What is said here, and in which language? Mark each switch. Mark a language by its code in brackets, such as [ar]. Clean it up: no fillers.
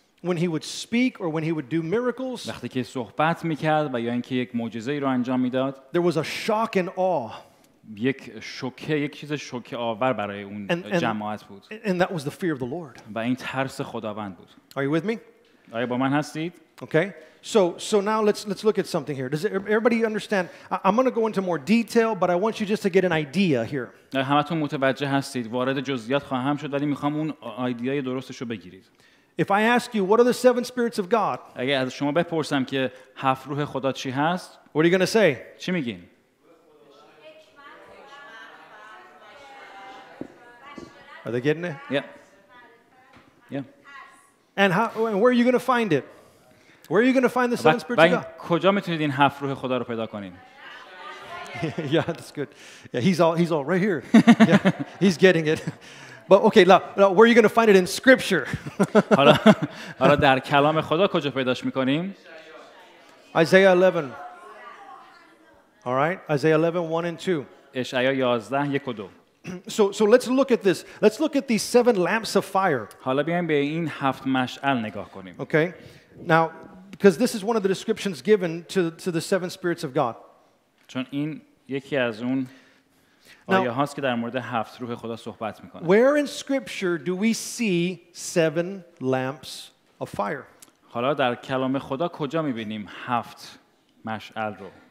[en] when he would speak or when he would do miracles, [fa] وقتی که صحبت میکرد و یا اینکه یک معجزه ای رو انجام میداد, [en] there was a shock and awe. [fa] یک چیز شوکه آور برای اون جماعت بود. [en] And that was the fear of the Lord. [fa] و این ترس خداوند بود. [en] Are you with me? [fa] آیا با من هستید؟ [en] Okay. So now let's look at something here. Does everybody understand? I'm going to go into more detail, but I want you just to get an idea here. [fa] همتون متوجه هستید. وارد جزئیات خواهم شد, ولی میخوام اون ایده درستش رو بگیرید. [en] If I ask you, what are the seven spirits of God? [fa] اگه از شما بپرسم که هفت روح خدا چی هست؟ [en] What are you going to say? [fa] چی میگین؟ [en] Are they getting it? Yeah. And where are you going to find it? Where are you going to find the seven spirits of God? [fa] کجا میتونید این هفت روح خدا رو پیدا کنین؟ [en] Yeah, that's good. Yeah, he's all right here. Yeah, he's getting it. But okay, now where are you going to find it in Scripture? [fa] حالا در کلام خدا کجا پیداش میکنیم؟ [en] Isaiah 11. All right, Isaiah 11, 1 and 2. [fa] اشعیا 11, 1 و 2. [en] So let's look at this. Let's look at these seven lamps of fire. [fa] حالا بیایم به این هفت مشعل نگاه کنیم. [en] Okay. Now, because this is one of the descriptions given to the seven spirits of God. [fa] چون این یکی از اون آیه هاست که در مورد هفت روح خدا صحبت میکنه. [en] Where in Scripture do we see seven lamps of fire? [fa] حالا در کلام خدا کجا میبینیم هفت مشعل رو؟